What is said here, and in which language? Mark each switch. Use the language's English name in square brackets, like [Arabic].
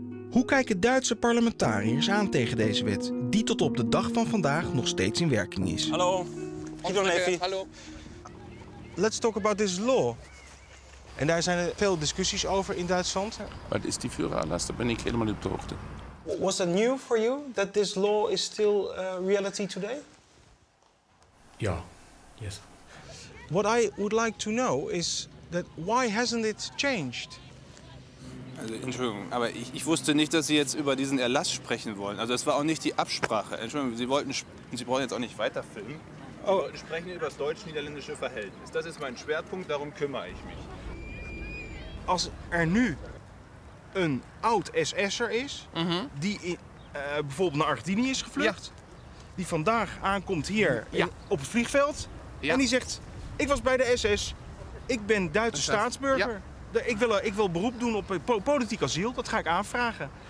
[Dutch] Hoe kijken Duitse parlementariërs aan tegen deze wet, die tot op de dag van vandaag nog steeds in werking is? Hallo. Hallo. [English] Let's talk about this law. [Dutch] En daar zijn er veel discussies over in Duitsland. Wat is die Führererlass? Daar ben ik helemaal niet op de hoogte. [English] Was that new for you that this law is still a reality today? [Dutch] Ja. [English] Yes. What I would like to know is that why hasn't it changed? [German] Also, Entschuldigung, aber ich wusste nicht, dass Sie jetzt über diesen Erlass sprechen wollen. Also, das war auch nicht die Absprache. Entschuldigung, Sie brauchen jetzt auch nicht weiterfilmen. Oh, sprechen über das deutsch-niederländische Verhältnis. Das ist mein Schwerpunkt, darum kümmere ich mich. [Dutch] Als er nu een oud SS'er is, die bijvoorbeeld naar Argentinië is gevlucht, die vandaag aankomt hier op het vliegveld, en die zegt, ik was bij de SS, ik ben Duitse staatsburger, ik wil beroep doen op politiek asiel, dat ga ik aanvragen.